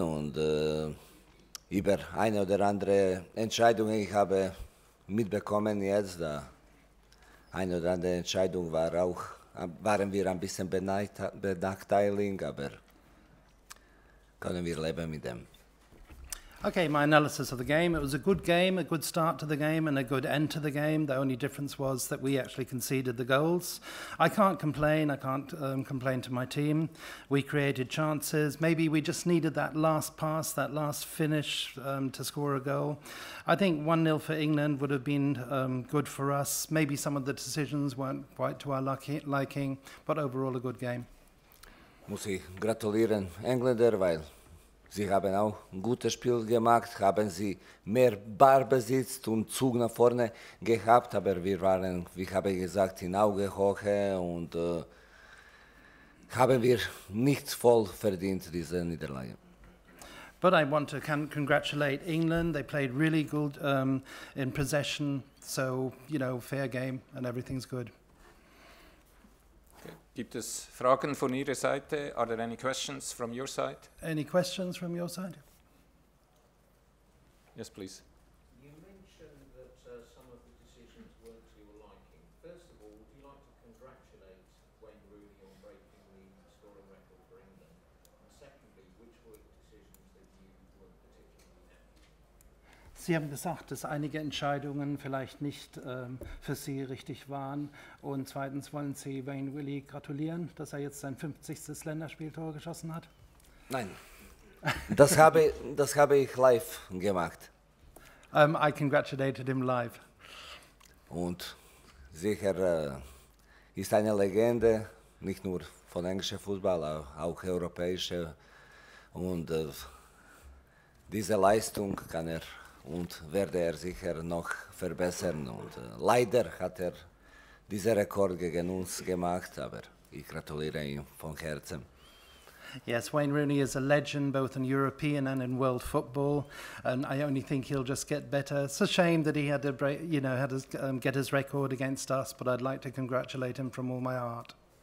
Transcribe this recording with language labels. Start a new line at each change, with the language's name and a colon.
German: Und über eine oder andere Entscheidung, ich habe mitbekommen jetzt, da eine oder andere Entscheidung war auch, waren wir ein bisschen benachteiligt, aber können wir leben mit dem.
English: Okay, my analysis of the game. It was a good game, a good start to the game, and a good end to the game. The only difference was that we actually conceded the goals. I can't complain. I can't complain to my team. We created chances. Maybe we just needed that last pass, that last finish to score a goal. I think 1-0 for England would have been good for us. Maybe some of the decisions weren't quite to our liking, but overall a good game.
German: Muss ich gratulieren Engländer, weil sie haben auch ein gutes Spiel gemacht, haben sie mehr Ballbesitz und Zug nach vorne gehabt, aber wir waren, wie habe ich gesagt, in Augenhöhe und haben wir nicht voll verdient, diese Niederlage.
English: But I want to congratulate England. They played really good in possession, so, you know, fair game and everything's good.
German: Gibt es Fragen von Ihrer Seite?
English: Are there any questions from your side? Any questions from your side? Yes, please. You mentioned that some of the decisions weren't to your liking. First of all, would you like to congratulate Wayne Rooney on breaking the scoring record for England? And secondly, which were the decisions that you were particularly happy?
German: Sie haben gesagt, dass einige Entscheidungen vielleicht nicht für Sie richtig waren. Und zweitens wollen Sie Wayne Rooney gratulieren, dass er jetzt sein 50. Länderspieltor geschossen hat? Nein, das habe ich live gemacht.
English: I congratulated him live.
German: Und sicher ist eine Legende, nicht nur von englischem Fußball, auch europäische. Und diese Leistung kann er und werde er sicher noch verbessern. Und leider hat er dieser Rekord gegen uns gemacht, aber ich gratuliere ihm von Herzen.
English: Yes, Wayne Rooney is a legend, both in European and in world football, and I only think he'll just get better. It's a shame that he had to break, you know, had to get his record against us, but I'd like to congratulate him from all my heart.